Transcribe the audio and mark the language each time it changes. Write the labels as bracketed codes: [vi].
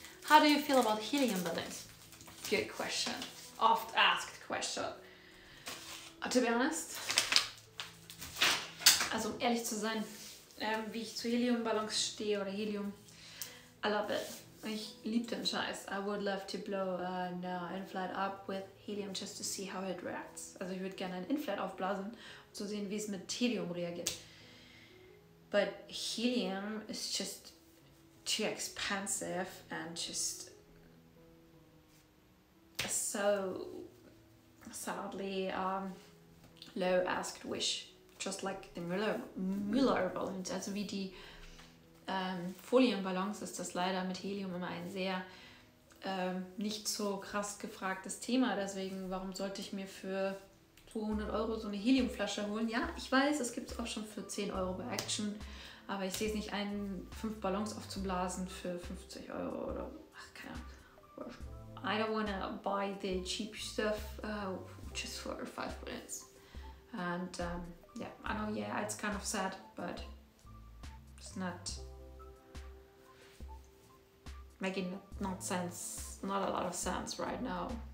[en] How do you feel about helium balloons? Good question. Oft asked question. To be honest, [de] also um ehrlich zu sein, wie ich zu Heliumballons stehe oder Helium, [en] I love it. [de] Ich liebe den Scheiß. [en] I would love to blow an inflight up with helium just to see how it reacts. [de] Also ich würde gerne einen inflight aufblasen, um zu sehen, wie es mit Helium reagiert. [en] But helium is just too expensive and just so sadly low asked wish. Just like the Müller balloons, [de] also wie die Folienballons, ist das leider mit Helium immer ein sehr nicht so krass gefragtes Thema. Deswegen, warum sollte ich mir für 200 Euro so eine Heliumflasche holen? Ja, ich weiß, es gibt es auch schon für 10 Euro bei Action. Aber ich sehe es nicht ein, 5 Ballons aufzublasen für 50 Euro oder... Ach, keine Ahnung. [en] I don't wanna buy the cheap stuff just for 5 minutes. And yeah, I know, yeah, it's kind of sad, but it's not making not sense, not a lot of sense right now.